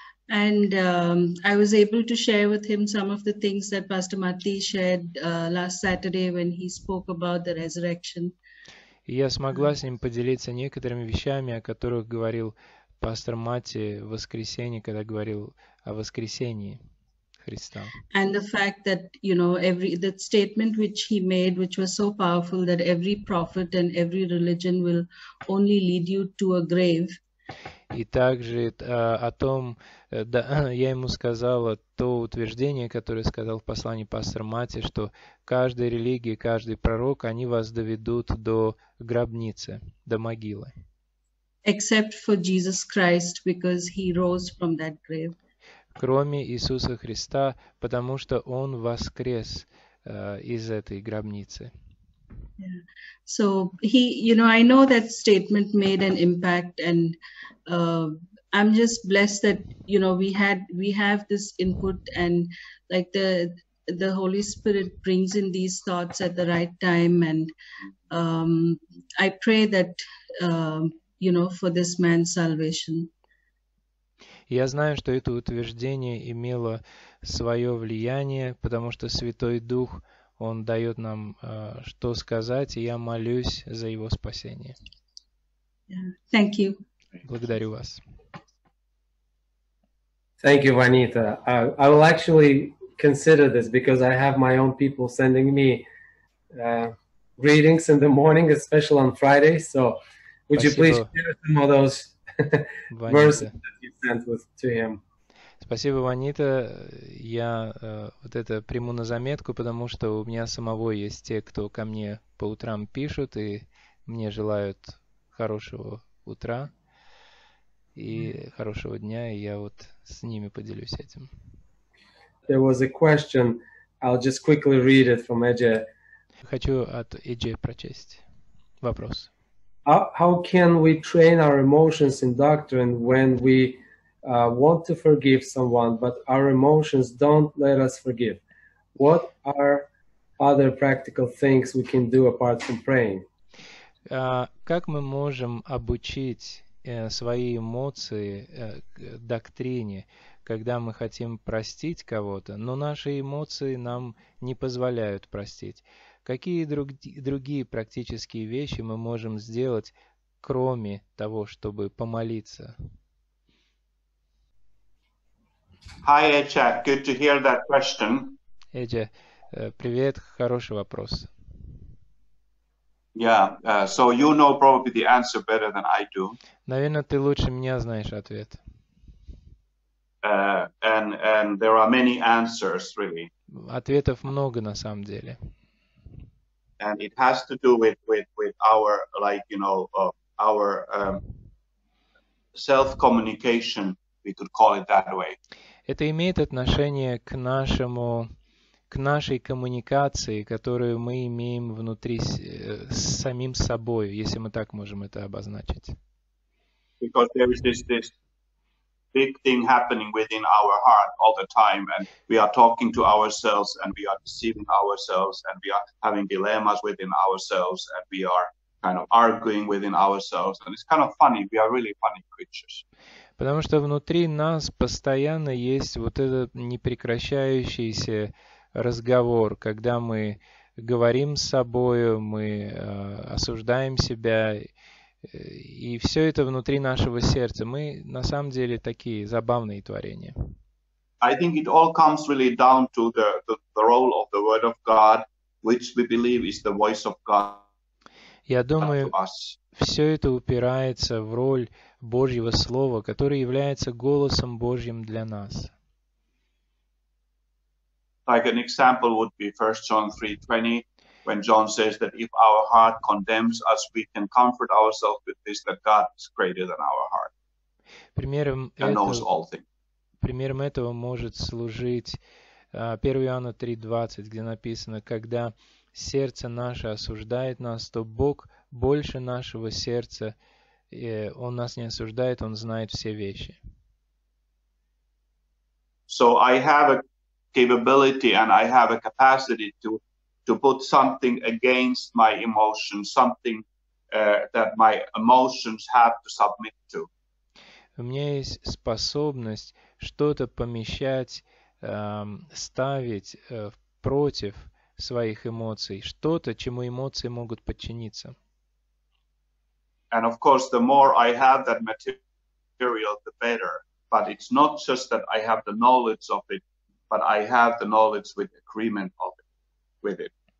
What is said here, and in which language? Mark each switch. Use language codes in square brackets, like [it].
[en] And I was able to share with him some of the things that Pastor Matti shared last Saturday when he spoke about the resurrection. [ru] Я смогла с ним поделиться некоторыми вещами, о которых говорил пастор Матти в воскресенье, когда говорил о воскресении Христа. [en] And the fact that, you know, that statement which he made, which was so powerful, that every prophet and every religion will only lead you to a grave. [ru] И также о том, да, я ему сказала то утверждение, которое сказал в послании пастор Матти, что каждая религия, каждый пророк, они вас доведут до гробницы, до могилы. [en] Except for Jesus Christ, because he rose from that grave. [ru] Кроме Иисуса Христа, потому что Он воскрес из этой гробницы. [en] Yeah. So he, you know, I know that statement made an impact, and I'm just blessed that, you know, we have this input, and like the Holy Spirit brings in these thoughts at the right time, and I pray that you know, for this man's salvation. [ru] Я знаю, что это утверждение имело свое влияние, потому что Святой Дух Он дает нам что сказать, и я молюсь за его спасение. [en] Thank you. [ru] Благодарю вас. [en] Thank you, Vanita. I will actually consider this because I have my own people sending me greetings in the morning, especially on Friday. So, would you please share some of those verses that you sent to him? [ru] Спасибо, Ванита. Я вот это приму на заметку, потому что у меня самого есть те, кто ко мне по утрам пишут и мне желают хорошего утра и хорошего дня, и я вот с ними поделюсь этим. [en] There was a question. I'll just quickly read it from Edge. [ru] Хочу от Edge прочесть вопрос. [en] How can we train our emotions in doctrine when we want to forgive someone, but our emotions don't let us forgive? What are other practical things we can do apart from praying? [ru] Как мы можем обучить свои эмоции доктрине, когда мы хотим простить кого-то, но наши эмоции нам не позволяют простить? Какие другие практические вещи мы можем сделать, кроме того, чтобы помолиться? [en] Hi, Edge. Good to hear that question. [ru] Edge, привет. Хороший вопрос. [en] Yeah. So you know probably the answer better than I do. [ru] Наверное, ты лучше меня знаешь ответ. [en] And there are many answers, really. [ru] Ответов много на самом деле. [en] And it has to do with our, like, you know, our self-communication. We could call it that way. [ru] Это имеет отношение к нашей коммуникации, которую мы имеем внутри с самим собой, если мы так можем это обозначить. [en] Because there is this big thing happening within our heart all the time, and we are talking to ourselves, and we are deceiving ourselves, and we are having dilemmas within ourselves, and we are kind of arguing within ourselves, and it's kind of funny. We are really funny creatures. [ru] Потому что внутри нас постоянно есть вот этот непрекращающийся разговор, когда мы говорим с собою, мы осуждаем себя, и все это внутри нашего сердца. Мы на самом деле такие забавные творения. [en] I think it all comes really down to the role of the Word of God, which we believe is the voice of God. [ru] Я думаю, все это упирается в роль Божьего Слова, который является голосом Божьим для нас. [en] Like an example would be 1 John 3:20, when John says that if our heart condemns us, we can comfort ourselves with this, that God is greater than our heart. [ru] Примером этого может служить 1 Иоанна 3:20, где написано, когда сердце наше осуждает нас, то Бог больше нашего сердца, Он нас не осуждает, Он знает все вещи. [en] So I have a capability and I have a capacity to put something against my emotions, something that my emotions have to submit to. [ru] У меня есть способность что-то помещать, ставить против своих эмоций, что-то, чему эмоции могут подчиниться. [en] And of course, the more I have that material, the better. But it's not just that I have the knowledge of it, but I have the knowledge with agreement of it, with it.